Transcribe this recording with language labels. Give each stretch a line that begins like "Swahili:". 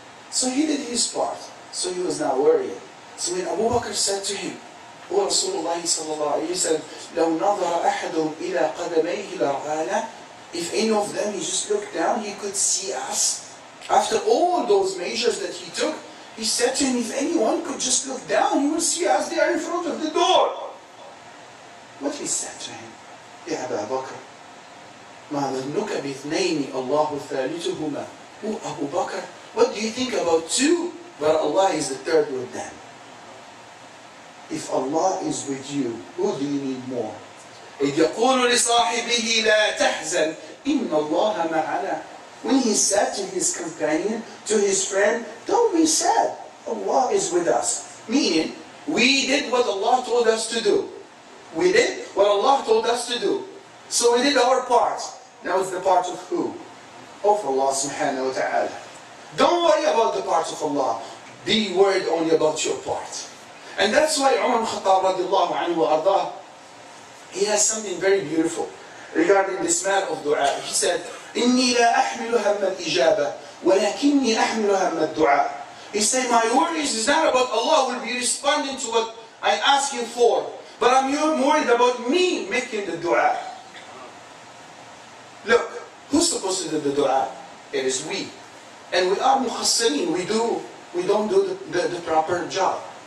English: So he did his part. So he was not worried. So when Abu Bakr said to him, O Rasulullah sallallahu alayhi wa sallam,
Arabic: لَوْ نَظَرَ أَحَدُهُمْ إِلَىٰ قَدَمَيْهِ لَرْغَالَ.
English: If any of them, he just looked down, he could see us. After all those measures that he took, he said to him, if anyone could just look down, he would see us there in front of the door. What he said to him,
Arabic: يَا أَبَا بَكْرَ مَا ذَنُّكَ بِثْنَيْنِ اللَّهُ ثَالِثُهُمَا.
English: O Abu Bakr, what do you think about two? But Allah is the third with them. If Allah is with you, who do you need more?
Arabic: إِذْ يَقُولُ لِصَاحِبِهِ لَا تَحْزَنْ إِنَّ اللَّهَ مَعَنَا.
English: When he said to his companion, to his friend, don't be sad, Allah is with us. Meaning, we did what Allah told us to do. We did what Allah told us to do. So we did our part. Now it's the part of who? Of Allah subhanahu wa ta'ala. Don't worry about the parts of Allah. Be worried only about your part. And that's why Umar al-Khattab radiallahu anhu ardah, he has something very beautiful regarding this matter of dua. He said,
Arabic: إِنِّي لَا أَحْمِلُ هَمَّ الْإِجَابَةِ وَلَكِنِّي أَحْمِلُ هَمَّ الدُّعَاءِ.
English: He said, my worries is not about Allah will be responding to what I ask him for, but I'm worried about me making the dua. Look, who's supposed to do the dua? It is we. And we are muhassirin, we don't do the proper job.